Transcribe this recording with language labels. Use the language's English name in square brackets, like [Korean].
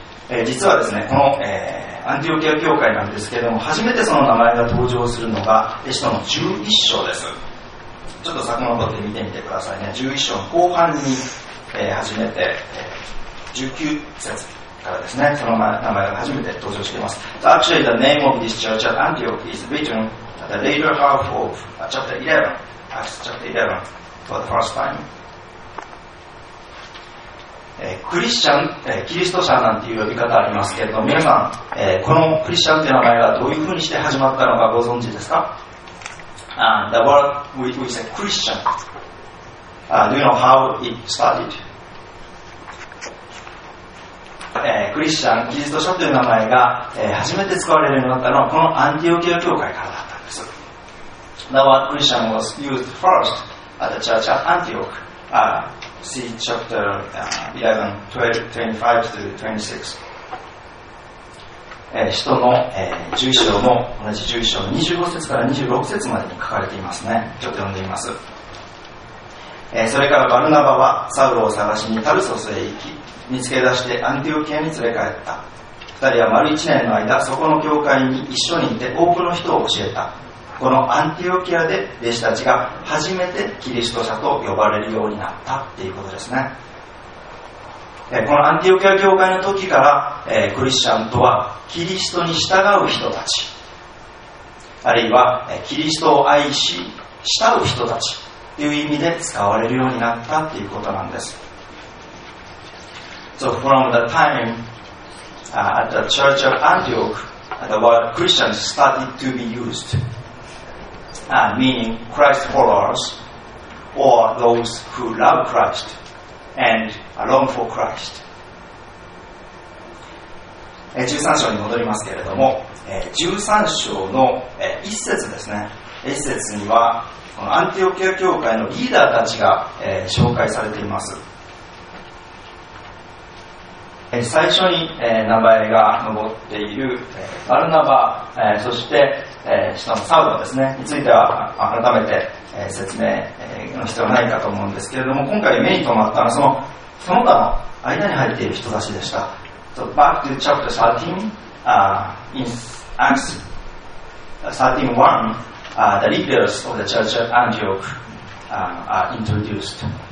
[Japanese] 実はですね、このアンティオキア教会なんですけれども、初めてその名前が登場するのが使徒の11章です。ちょっと遡って見てみてくださいね。11章の後半に、初めて、19節からですね、その名前が初めて登場しています。 [English] So actually the name of this church at Antioch is written at the later half of chapter 11 for the first time。 [Japanese] クリスチャン、キリスト者なんていう呼び方ありますけれども、皆さん、このクリスチャンという名前がどういうふうにして始まったのかご存知ですか。 [English] The word we say Christian. Do you know how it started? [Japanese] クリスチャン、キリスト者という名前が、初めて使われるようになったのはこのアンティオキア教会からだったんです。 [English] The word Christian was used first at the church at Antioch。 See chapter 11:25-26. [Japanese] 使徒の11章も同じ11章の25節から26節までに書かれていますね。ちょっと読んでみます。それからバルナバはサウロを探しにタルソスへ行き、見つけ出してアンティオキアに連れ帰った。二人は丸一年の間そこの教会に一緒にいて多くの人を教えた。このアンティオキアで弟子たちが初めてキリスト者と呼ばれるようになったっていうことですね。このアンティオキア教会の時から、クリスチャンとはキリストに従う人たち、あるいはキリストを愛し慕う人たちという意味で使われるようになったっていうことなんです。 [English] So from the time、at the church of Antioch the word Christians started to be used、meaning Christ followers or those who love Christ and long for Christ。 [Japanese] 13章に戻りますけれども、13章の一節ですね、一節にはこのアンティオキア教会のリーダーたちが、紹介されています。最初に、名前が上っている、バルナバ、そして、下のサウロですねについては改めて、説明の必要はないかと思うんですけれども、今回目に留まったのはその他の間に入っている人たちでした。 [English] So, back to chapter 13、in Acts 13:1the leaders of the church at Antioch are introduced.